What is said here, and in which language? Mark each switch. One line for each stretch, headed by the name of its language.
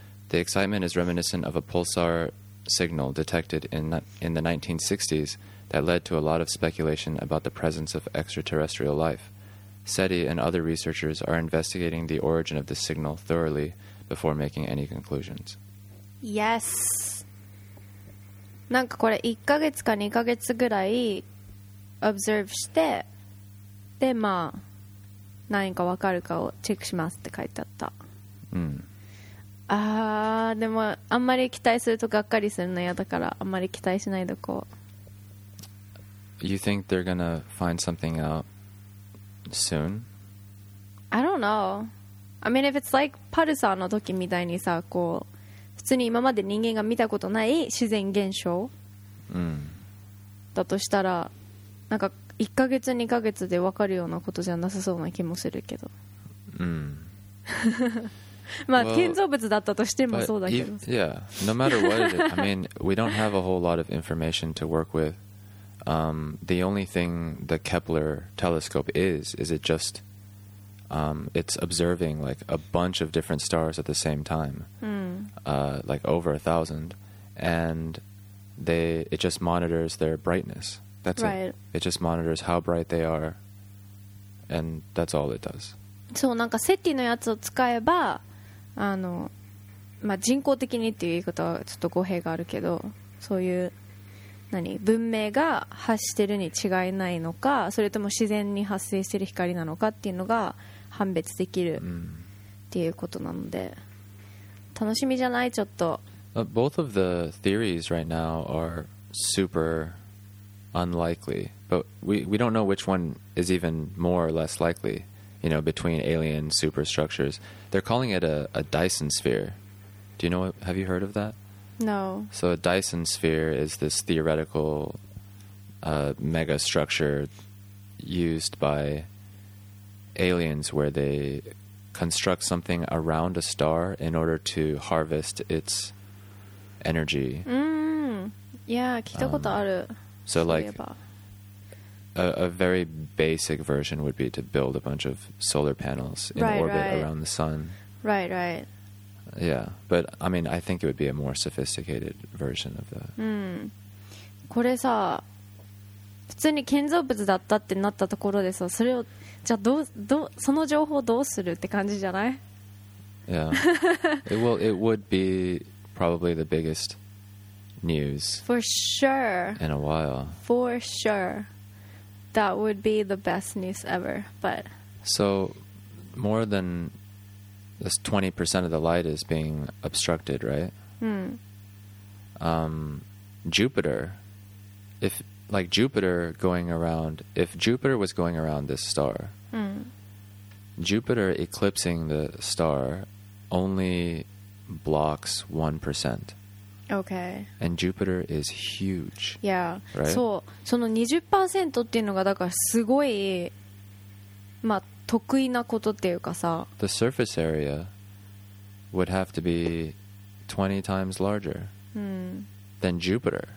English: The excitement is reminiscent of a pulsar signal detected in the 1960s that led to a lot of speculation about the presence of extraterrestrial life. SETI and other researchers are investigating the origin of this signal thoroughly before making any conclusions. Yes.
Japanese: なんかこれ1ヶ月か2ヶ月ぐらい observe して、でまあ何か分かるかをチェックしますって書いてあった。うん。あー、でもあんまり期待するとがっかりするの嫌だからあんまり期待しないでこう。
English: You think they're gonna find something out soon? I don't know. I mean, if it's like
Japanese: パルサーの時みたいにさ、こう普通に今まで人間が見たことない自然現象、うん、だとしたらなんか1ヶ月2ヶ月で分かるようなことじゃなさそうな気もするけど、うん、まあ、well, 建造物だったとしてもそうだけど、
English: yeah, no matter what it is, I mean, we don't have a whole lot of information to work with. The only thing the Kepler telescope is it just it's observing like a bunch of different stars at the same time, like over 1,000, and it just monitors their brightness. That's right. It just monitors how bright they are, and that's all it does.
Japanese: そう、なんかSETIのやつを使えば、あの、まあ、人工的にっていう言い方はちょっと語弊があるけど、そういう何文明が発してるに違いないのか、それとも自然に発生してる光なのかっていうのが判別できるっていうことなので、楽しみじゃないちょっと。
English: Both of the theories right now are super. Unlikely, but we don't know which one is even more or less likely, you know, between alien superstructures. They're calling it a Dyson sphere. Do you know, have you heard of that? No. So a Dyson sphere is this theoretical mega structure used by aliens where they construct something around a star in order to harvest its energy.
Japanese: Yeah, 聞いたことある。
English: So like a very basic version would be to build a bunch of solar panels in orbit around the sun. Right, right. Yeah, but I mean, I think it would be a more sophisticated version of that.
Japanese: これさ、普通に建造物だったってなったところでさ、それをじゃあどうその情報どうするって感じじゃない？
English: Yeah. it would be probably the biggest. News for sure in a while for sure That would be the best news ever. But so more than this 20% of the light is being obstructed, right? Jupiter, if like Jupiter going around, if Jupiter was going around this star, Jupiter eclipsing the star only blocks 1%. Okay. And Jupiter is huge. Yeah. Right?
Japanese: そう、その20%っていうのがだからすごい、まあ、得意なことっていうかさ。
English: The surface area would have to be 20 times larger than Jupiter.